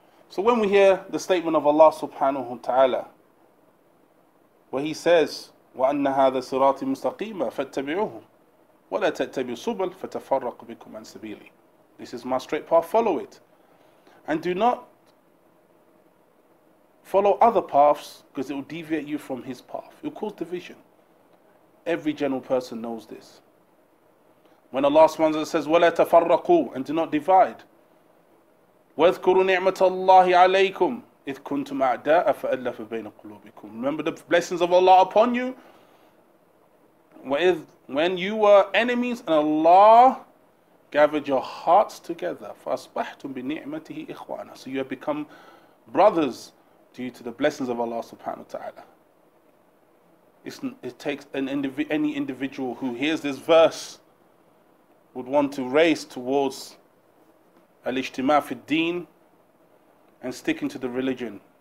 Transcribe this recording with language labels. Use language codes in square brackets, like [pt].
[en] So when we hear the statement of Allah subhanahu wa ta'ala, where he says, [ar] وَأَنَّ هَذَا صِرَاطِ مُسْتَقِيمًا فَاتَّبِعُهُ وَلَا تَتَّبِعُ سُبَلْ فَتَفَرَّقُ بِكُمْ عَنْ سَبِيلِي [en] This is my straight path, follow it. And do not follow other paths, because it will deviate you from his path. It will cause division. Every general person knows this. When Allah subhanahu wa ta'ala says, [ar] وَلَا تَفَرَّقُوا [en] And do not divide. [ar] وَاذْكُرُوا نِعْمَةَ اللَّهِ عَلَيْكُمْ إِذْ كُنْتُمْ أَعْدَاءَ فَأَلَّفَ بَيْنَ قُلُوبِكُمْ [en] Remember the blessings of Allah upon you. When you were enemies and Allah gathered your hearts together. [ar] فَأَصْبَحْتُمْ بِنِعْمَتِهِ إِخْوَانًا [en] So you have become brothers due to the blessings of Allah subhanahu wa ta'ala. It takes any individual who hears this verse would want to race towards al-ijtima' fi al-deen and sticking to the religion.